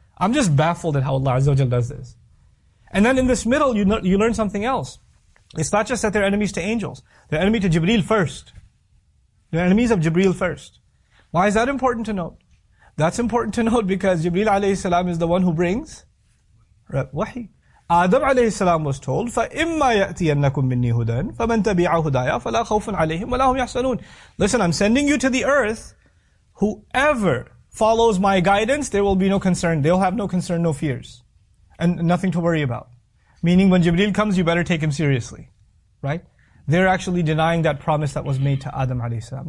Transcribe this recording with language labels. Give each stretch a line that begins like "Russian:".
English: I'm just baffled at how Allah Azza wa Jalla does this. And then in this middle, you learn something else. It's not just that they're enemies to angels. They're enemy to Jibreel first. They're enemies of Jibreel first. Why is that important to note? That's important to note because Jibreel alayhi salam is the one who brings wahi. Adam alayhi salam was told,
Arabic: فَإِمَّا يَأْتِيَنَّكُم مِّنِّي هُدًى فَمَنْ تَبِعَ هُدَايَ فَلَا خَوْفٌ عَلَيْهِمْ وَلَا هُمْ يَحْسَنُونَ.
English: Listen, I'm sending you to the earth. Whoever follows my guidance, there will be no concern. They'll have no concern, no fears. And nothing to worry about. Meaning when Jibreel comes, you better take him seriously. Right? They're actually denying that promise that was made to Adam alayhi salam.